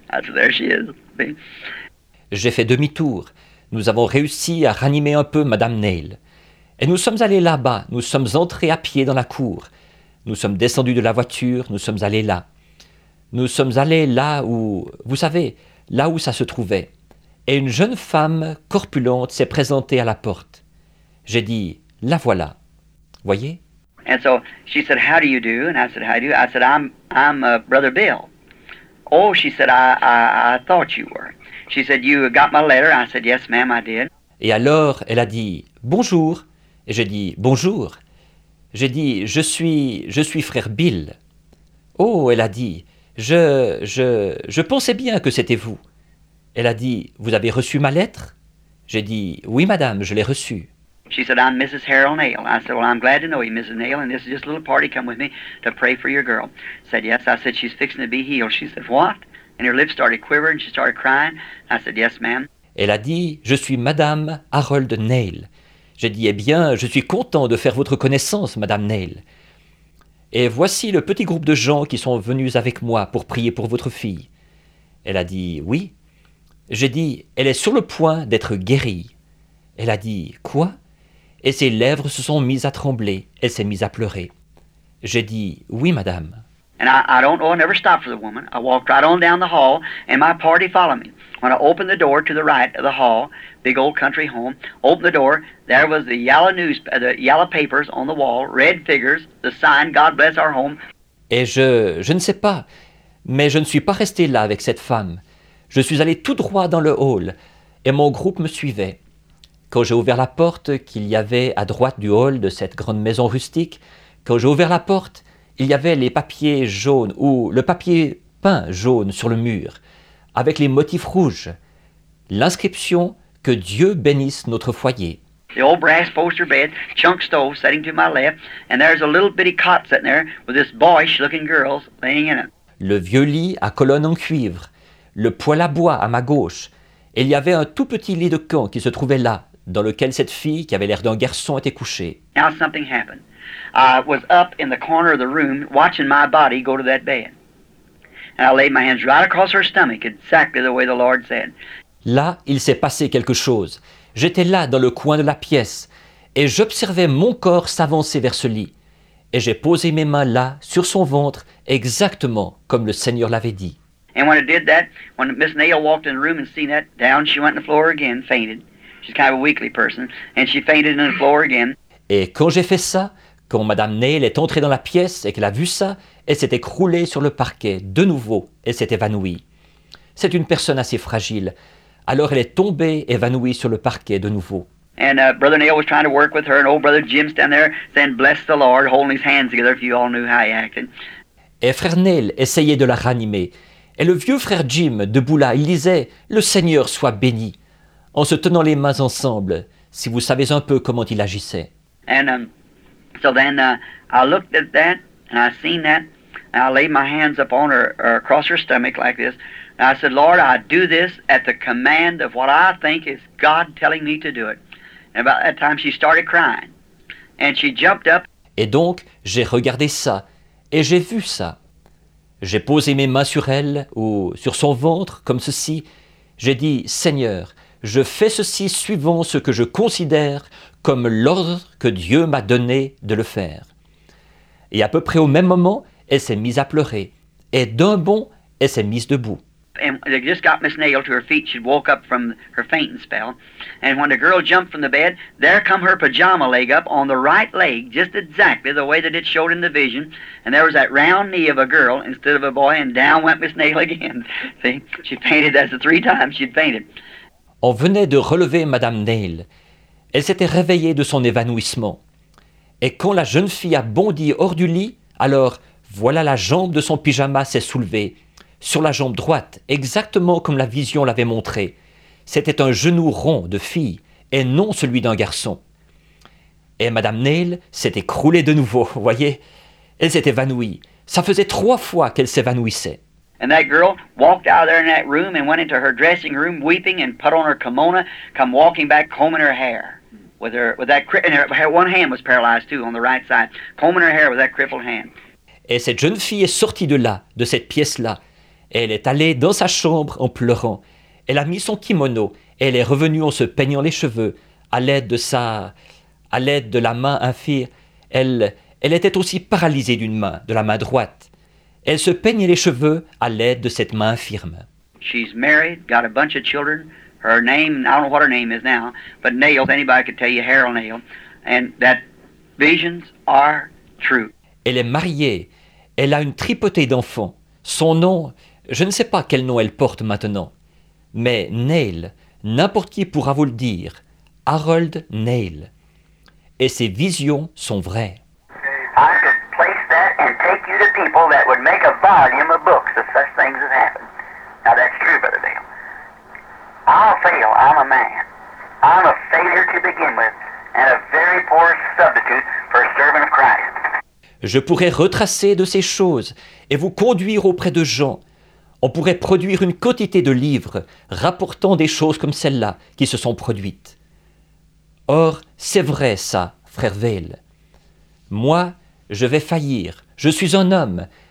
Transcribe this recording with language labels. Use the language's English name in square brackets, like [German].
[English] I said, there she is. [French] J'ai fait demi-tour. Nous avons réussi à ranimer un peu Madame Nail. Et nous sommes allés là-bas. Nous sommes entrés à pied dans la cour. Nous sommes descendus de la voiture. Nous sommes allés là. Nous sommes allés là où, vous savez, là où ça se trouvait. Et une jeune femme corpulente s'est présentée à la porte. J'ai dit, la voilà. Voyez. [English] And so she said, how do you do? And I said, how do you? I said, I'm Brother Bill. Oh, she said, I thought you were. She said, "You got my letter?" I said, "Yes, ma'am, I did." [French] Et alors, elle a dit, "Bonjour." Et j'ai dit, "Bonjour." J'ai dit, je suis frère Bill. Oh, elle a dit, je pensais bien que c'était vous. Elle a dit, vous avez reçu ma lettre? J'ai dit, oui, madame, je l'ai reçue. [English] She said, I'm Mrs. Harold Nail. I said, well, I'm glad to know you, Mrs. Nail, and this is just a little party. Come with me to pray for your girl. Said, yes. I said, she's fixing to be healed. She said, what? And her lips started quivering, she started crying. I said, yes, ma'am. [French] Elle a dit, je suis madame Harold Nail. J'ai dit, eh bien, je suis content de faire votre connaissance, madame Nail. Et voici le petit groupe de gens qui sont venus avec moi pour prier pour votre fille. Elle a dit, oui. J'ai dit, elle est sur le point d'être guérie. Elle a dit, quoi? Et ses lèvres se sont mises à trembler. Elle s'est mise à pleurer. J'ai dit, oui, madame. [English] And I don't know, I never stopped for the woman. I walked right on down the hall, and my party followed me. When I opened the door to the right of the hall, big old country home, opened the door, there was the yellow papers on the wall, red figures, the sign, God bless our home. [French] Et je ne sais pas, mais je ne suis pas resté là avec cette femme. Je suis allé tout droit dans le hall, et mon groupe me suivait. Quand j'ai ouvert la porte qu'il y avait à droite du hall de cette grande maison rustique, quand j'ai ouvert la porte, il y avait les papiers jaunes ou le papier peint jaune sur le mur, avec les motifs rouges, l'inscription « Que Dieu bénisse notre foyer ». [English] The old brass poster bed, chunk stove sitting to my left, and there's a little bitty cot sitting there with this boyish looking girl laying in it. [French] Le vieux lit à colonne en cuivre, le poêle à bois à ma gauche, et il y avait un tout petit lit de camp qui se trouvait là, dans lequel cette fille qui avait l'air d'un garçon était couchée. [English] Now something happened. I was up in the corner of the room watching my body go to that bed. And I laid my hands right across her stomach, exactly the way the Lord said. [French] Là, il s'est passé quelque chose. J'étais là dans le coin de la pièce et j'observais mon corps s'avancer vers ce lit. Et j'ai posé mes mains là, sur son ventre, exactement comme le Seigneur l'avait dit. [English] And when I did that, when Miss Nail walked in the room and seen that, down she went on the floor again, fainted. She's kind of a weakly person. And she fainted on the floor again. [French] Et quand j'ai fait ça, quand Madame Nail est entrée dans la pièce et qu'elle a vu ça, elle s'est écroulée sur le parquet, de nouveau, et s'est évanouie. C'est une personne assez fragile. Alors elle est tombée, évanouie sur le parquet, de nouveau. [English] And Brother Nail was trying to work with her, and old Brother Jim stand there, saying, bless the Lord, holding his hands together, if you all knew how he acted. [French] Et frère Nail essayait de la ranimer. Et le vieux frère Jim, debout là, il disait, le Seigneur soit béni. En se tenant les mains ensemble, si vous savez un peu comment il agissait. [English] And, so then I looked at that and I seen that and I laid my hands upon her or across her stomach like this and I said, Lord, I do this at the command of what I think is God telling me to do it. And about that time she started crying and she jumped up. [French] Et donc j'ai regardé ça et j'ai vu ça. J'ai posé mes mains sur elle ou sur son ventre comme ceci. J'ai dit, Seigneur, je fais ceci suivant ce que je considère comme l'ordre que Dieu m'a donné de le faire. Et à peu près au même moment, elle s'est mise à pleurer. Et d'un bond, elle s'est mise debout. [English] And they just got Miss Nail to her feet. She woke up from her fainting spell. And when the girl jumped from the bed, there come her pajama leg up on the right leg, just exactly the way that it showed in the vision. And there was that round knee of a girl instead of a boy, and down went Miss Nail again. See, she fainted. That's the three times she'd fainted. [French] On venait de relever Madame Nail. Elle s'était réveillée de son évanouissement. Et quand la jeune fille a bondi hors du lit, alors voilà la jambe de son pyjama s'est soulevée, sur la jambe droite, exactement comme la vision l'avait montré. C'était un genou rond de fille, et non celui d'un garçon. Et Madame Nail s'est écroulée de nouveau, voyez. Elle s'est évanouie. Ça faisait trois fois qu'elle s'évanouissait. [English] And that girl walked out of there in that room and went into her dressing room weeping and put on her kimono, come walking back combing her hair with that one hand was paralyzed too on the right side, combing her hair with that crippled hand. [French] Et cette jeune fille est sortie de là, de cette pièce-là. Elle est allée dans sa chambre en pleurant. Elle a mis son kimono et elle est revenue en se peignant les cheveux à l'aide de la main infirme. Elle était aussi paralysée d'une main, de la main droite. Elle se peignait les cheveux à l'aide de cette main firme. [English] She's married, got a bunch of children. Her name, I don't know what her name is now, but Nail, anybody could tell you, Harold Nail. And that visions are true. [French] Elle est mariée. Elle a une tripotée d'enfants. Son nom, je ne sais pas quel nom elle porte maintenant. mais Neil, n'importe qui pourra vous le dire, Harold Neil. Et ses visions sont vraies. [English] I could place that and take you to people that would make a volume of books if such things had happened. Now that's true, Brother Dale. I'll fail. I'm a man. I'm a failure to begin with and a very poor substitute for a servant of Christ. [French] Je pourrais retracer de ces choses et vous conduire auprès de gens. On pourrait produire une quantité de livres rapportant des choses comme celles-là qui se sont produites. Or, c'est vrai ça, frère Veil. Moi, je vais faillir. Je suis un homme.